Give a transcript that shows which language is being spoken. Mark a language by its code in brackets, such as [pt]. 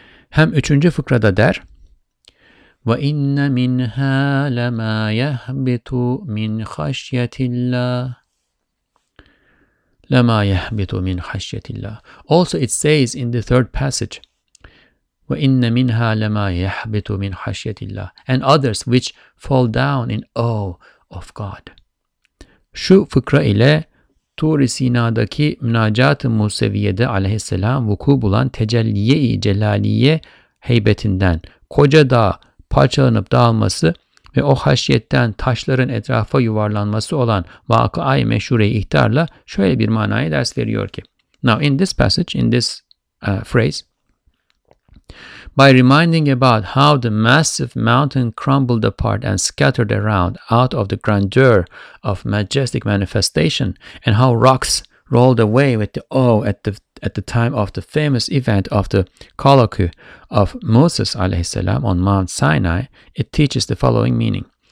[tr] Hem üçüncü fıkrada der, [ar] ve inne minha lema yahbitu min khashyatillah. لَمَا يَحْبِتُ مِنْ خَشْيَةِ اللّٰهِ. [en] Also it says in the third passage, [ar] وَإِنَّ مِنْهَا لَمَا يَحْبِتُ مِنْ خَشْيَةِ اللّٰهِ, [en] and others which fall down in awe of God. [tr] Şu fıkra ile Tur-i Sina'daki Münacat-ı Museviye'de aleyhisselam vuku bulan tecelliye-i celaliye heybetinden koca dağ parçalanıp dağılması ve o haşiyetten taşların etrafa yuvarlanması olan vakıay meşhure ihtarla şöyle bir manaya ders veriyor ki. [en] Now in this passage, in this phrase, by reminding about how the massive mountain crumbled apart and scattered around out of the grandeur of majestic manifestation, and how rocks rolled away with the awe at the time of the famous event of the colloquy of Moses alayhi salam on Mount Sinai, it teaches the following meaning.